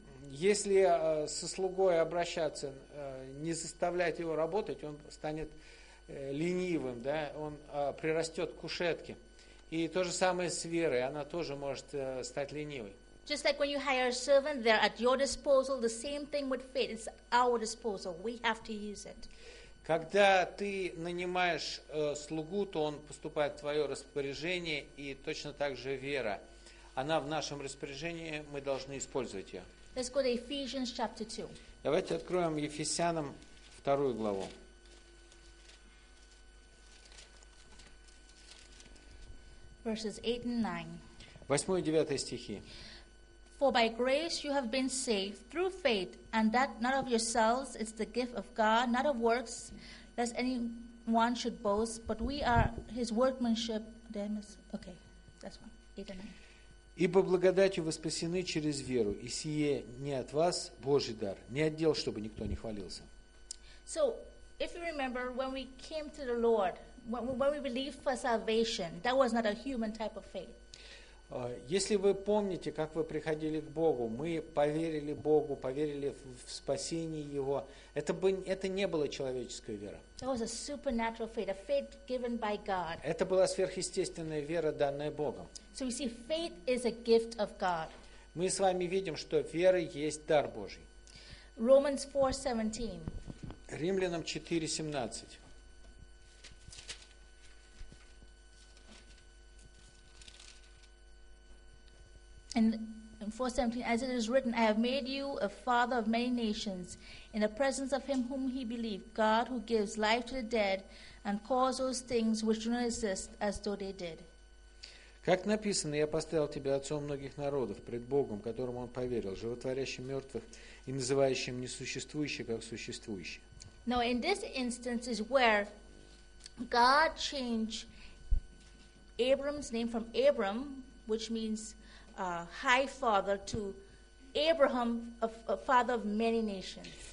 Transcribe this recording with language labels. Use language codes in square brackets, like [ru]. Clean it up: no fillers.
[ru] Если со слугой обращаться, не заставлять его работать, он станет ленивым, да, он прирастет к кушетке. И то же самое с верой, она тоже может стать ленивой. [en] Just like when you hire a servant, they're at your disposal. The same thing with faith. It's our disposal. We have to use it. [ru] Когда ты нанимаешь слугу, то он поступает в твое распоряжение, и точно так же вера. Она в нашем распоряжении, мы должны использовать ее. [en] Let's go to Ephesians chapter 2. [ru] Давайте откроем Ефесянам вторую главу. [en] Verses 8 and 9. [ru] 8 и 9 стихи. [en] For by grace you have been saved through faith, and that not of yourselves, it's the gift of God, not of works, lest any one should boast, but we are his workmanship. Okay, that's one. 8 and 9. [ru] Ибо благодатью вы спасены через веру, и сие не от вас, Божий дар, не от дел, чтобы никто не хвалился. [en] So, if you remember, when we came to the Lord, when we believed for salvation, that was not a human type of faith. [ru] Если вы помните, как вы приходили к Богу, мы поверили Богу, поверили в спасение Его, это не было человеческая вера. [en] That was a supernatural faith, a faith given by God. [ru] Это была сверхъестественная вера, данная Богом. [en] So we see faith is a gift of God. [ru] Мы с вами видим, что вера есть дар Божий. [en] Romans 4:17. [ru] Римлянам 4:17. [en] And in 4:17, as it is written, I have made you a father of many nations in the presence of him whom he believed, God who gives life to the dead and calls those things which do not exist as though they did. [ru] Как написано, я поставил тебя отцом многих народов пред Богом, которому он поверил, животворящим мертвых и называющим несуществующие как существующие. [en] Now in this instance is where God changed Abram's name from Abram, which means high father, to Abraham, a father of many nations.